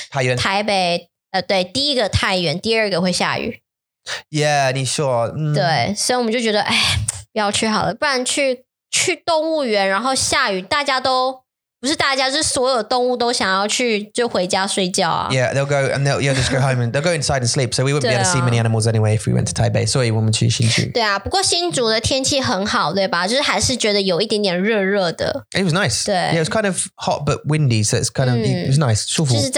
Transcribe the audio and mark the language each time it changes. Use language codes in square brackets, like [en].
[zh] 太原, 台北, 对, 第一个太原, 第二个会下雨. Yeah, 你说, 对, 所以我们就觉得, 哎, 不要去好了,不然去动物园,然后下雨, 大家都,不是大家,是所有动物都想要去,就回家睡觉啊。 [en] Yeah, they'll go, and they'll just go home, and they'll go inside and sleep, so we wouldn't be able to see many animals anyway if we went to Taipei, [zh] 所以我们去新竹。对啊,不过新竹的天气很好,对吧?就是还是觉得有一点点热热的。It [en] was nice. [zh] 对。 [en] Yeah, it was kind of hot but windy, so it's kind of, it was nice, 舒服。